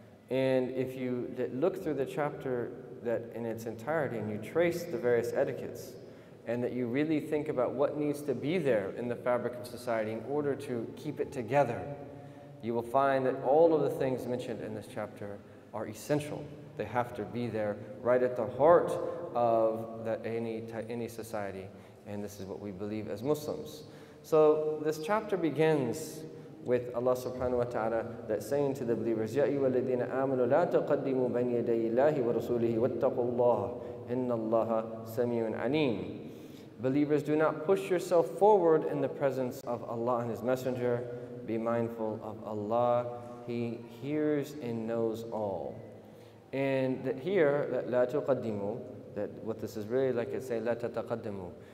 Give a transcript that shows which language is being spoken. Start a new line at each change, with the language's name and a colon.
English: And if you look through the chapter that in its entirety and you trace the various etiquettes, and that you really think about what needs to be there in the fabric of society in order to keep it together, you will find that all of the things mentioned in this chapter are essential. They have to be there right at the heart of any society, and this is what we believe as Muslims. So this chapter begins with Allah subhanahu wa ta'ala that saying to the believers,
Arabic: يَا أَيُّهَا الَّذِينَ آمَنُوا لَا تَقَدِّمُوا بَيْنَ يَدَيِ اللَّهِ وَرَسُولِهِ وَاتَّقُوا اللَّهَ إِنَّ اللَّهَ سَمِيعٌ عَلِيمٌ.
English: Believers, do not push yourself forward in the presence of Allah and His Messenger. Be mindful of Allah. He hears and knows all. And that here,
Arabic: لَا تُقَدِّمُوا,
English: that what this is really like, it say,
Arabic: لَا تَتَقَدِّمُوا.